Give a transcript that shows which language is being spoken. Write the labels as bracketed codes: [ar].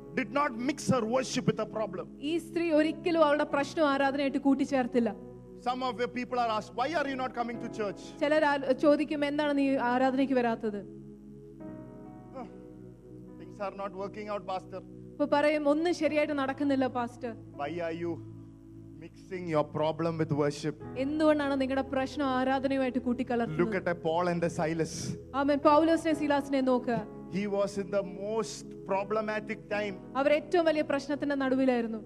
[en] did not mix her worship with a problem. [ml] ഈ സ്ത്രീ ഒരിക്കലും അവളുടെ പ്രശ്നം ആരാധനയായിട്ട് കൂട്ടി ചേർത്തില്ല. [en] Some of the people are asked, why are you not coming to church? [ml] ചിലർ ചോദിക്കും, എന്താണ് നീ ആരാധനയ്ക്ക് വരാത്തത്? [en] Things are not working out, pastor. [ml] ഇപ്പോ പറയും, ഒന്നും ശരിയായിട്ട് നടക്കുന്നില്ല pastor. [en] Why are you mixing your problem with worship? [ml] എന്തുകൊണ്ടാണ് നിങ്ങളുടെ പ്രശ്നം ആരാധനയുമായിട്ട് കൂട്ടിക്കലർത്തുന്നത്? [en] Look at Paul and Silas. [ml] ആമേൻ. പൗലോസിനെ സീലാസിനെ നോക്ക്. [en] He was in the most problematic time. [ml] അവർ ഏറ്റവും വലിയ പ്രശ്നത്തിന്റെ നടുവിലായിരുന്നു.